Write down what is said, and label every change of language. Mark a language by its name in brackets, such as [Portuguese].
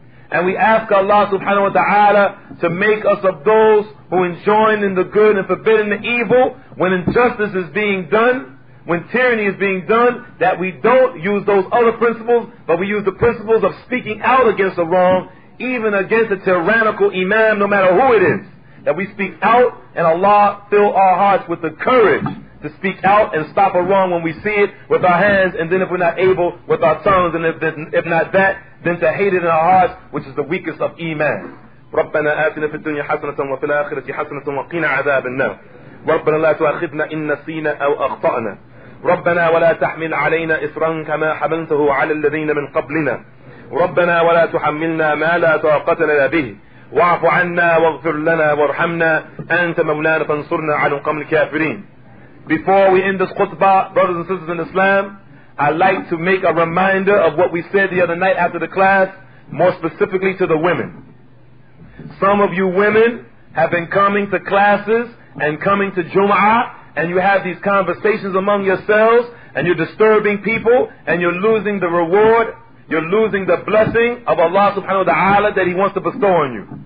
[English] And we ask Allah subhanahu wa ta'ala to make us of those who enjoin in the good and forbid in the evil when injustice is being done, when tyranny is being done, that we don't use those other principles, but we use the principles of speaking out against the wrong, even against a tyrannical imam, no matter who it is, that we speak out and Allah fill our hearts with the courage to speak out and stop a wrong when we see it with our hands, and then if we're not able, with our tongues, and if not that, then to hate it in our hearts, which is the weakest of iman. [Arabic] ربنا آتنا في الدنيا حسنة وفي الآخرة حسنة وقنا عذاب النار. ربنا لا تؤاخذنا إن نسينا أو أخطأنا. ربنا ولا تحمل علينا إصرا كما حملته على الذين من قبلنا. ربنا ولا تحملنا ما لا طاقة لنا به. واعف عنا واغفر لنا وارحمنا. أنت مولانا فانصرنا على قوم الكافرين. [English] Before we end this khutbah, brothers and sisters in Islam, I'd like to make a reminder of what we said the other night after the class, more specifically to the women. Some of you women have been coming to classes and coming to Jum'ah, and you have these conversations among yourselves, and you're disturbing people, and you're losing the reward, you're losing the blessing of Allah subhanahu wa ta'ala that He wants to bestow on you.